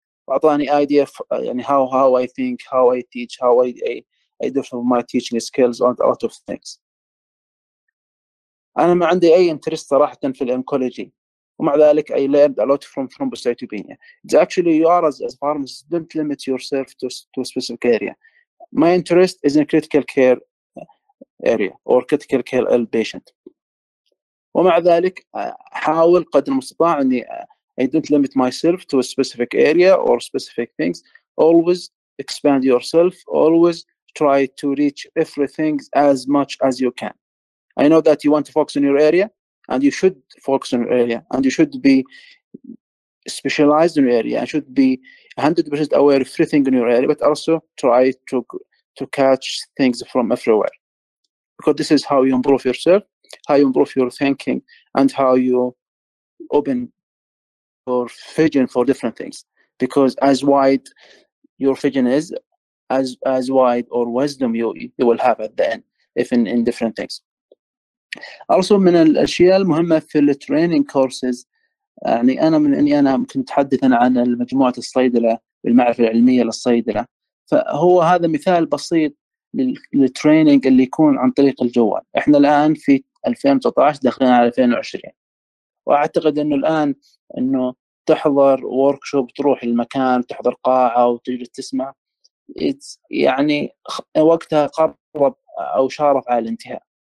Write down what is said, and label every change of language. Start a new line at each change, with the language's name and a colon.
Arabic: أعطاني
English: idea يعني how I think, how I teach, how I develop my teaching skills and a lot of things.
Arabic: أنا ما عندي أي
English: interest
Arabic: صراحة في الأنكولوجي, ومع ذلك
English: I learned a lot from thrombocytopenia. It's actually you are as pharmacists, don't limit yourself to a specific area. My interest is in critical care area or critical care ill patient.
Arabic: ومع ذلك أحاول قدر المستطاع أني
English: I don't limit myself to a specific area or specific things. Always expand yourself. Always try to reach everything as much as you can. I know that you want to focus on your area, and you should focus on your area, and you should be specialized in your area, and should be 100% aware of everything in your area, but also try to catch things from everywhere. Because this is how you improve yourself, how you improve your thinking, and how you open your vision for different things. Because as wide your vision is, as wide or wisdom you will have at the end, if in different things. Also,
Arabic: من الأشياء المهمة في
English: the training courses,
Arabic: يعني أنا من أني أنا كنت أتحدث عن المجموعة الصيدلة بالمعرفة العلمية للصيدلة, فهو هذا مثال بسيط للتريننج اللي يكون عن طريق الجوال. إحنا الآن في 2019 دخلنا على 2020, وأعتقد أنه الآن أنه تحضر ووركشوب, تروح المكان تحضر قاعة وتجري تسمع, يعني وقتها قرب أو شارف على الانتهاء.